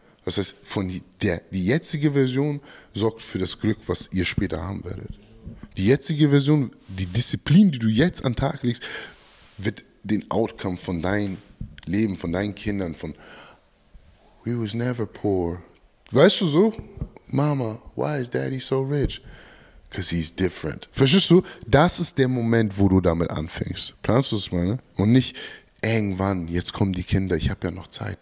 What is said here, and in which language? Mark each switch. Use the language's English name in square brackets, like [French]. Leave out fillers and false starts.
[German] Das heißt, die jetzige Version sorgt für das Glück, was ihr später haben werdet. Die jetzige Version, die Disziplin, die du jetzt an den Tag legst, wird den Outcome von deinem Leben, von deinen Kindern, von [English] we was never poor. [German] Weißt du so? [English] Mama, why is daddy so rich? Because he's different. [German] Verstehst du? Das ist der Moment, wo du damit anfängst. Planst du es mal, ne? Und nicht irgendwann, jetzt kommen die Kinder, ich habe ja noch Zeit.